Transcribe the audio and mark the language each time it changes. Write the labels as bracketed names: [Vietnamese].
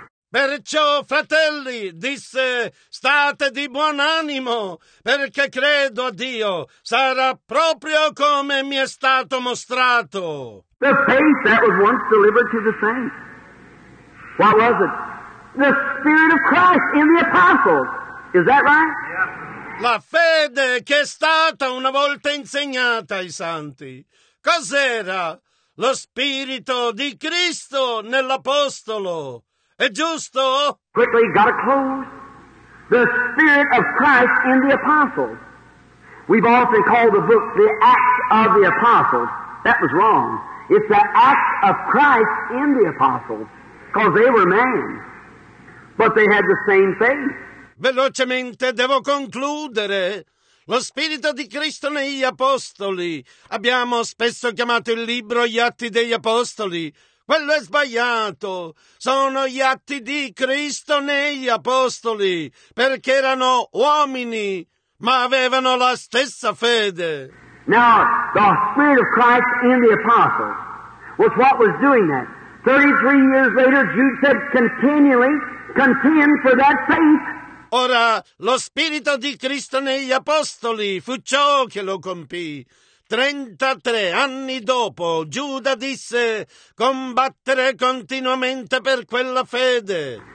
[Italian] Perciò, fratelli, disse, state di buon animo, perché credo a Dio, sarà proprio come mi è stato mostrato. [English] The faith that was once delivered to the saints. What was it? The Spirit of Christ in the apostles. Is that right? Yeah. [Italian] La fede che è stata una volta insegnata ai santi. Cos'era? Lo Spirito di Cristo nell'Apostolo. È giusto? [English] Quickly, got to close. The Spirit of Christ in the Apostles. We've often called the book the Acts of the Apostles. That was wrong. It's the act of Christ in the apostles, because they were men. But they had the same faith. [Italian] Velocemente devo concludere. Lo Spirito di Cristo negli Apostoli. Abbiamo spesso chiamato il libro gli Atti degli Apostoli. Quello è sbagliato. Sono gli Atti di Cristo negli Apostoli, perché erano uomini, ma avevano la stessa fede. [English] Now, the Spirit of Christ in the Apostles was what was doing that. 33 years later, Jude said, continually contend for that faith. [Italian] Ora, lo Spirito di Cristo negli Apostoli fu ciò che lo compì. 33 anni dopo, Giuda disse, combattere continuamente per quella fede.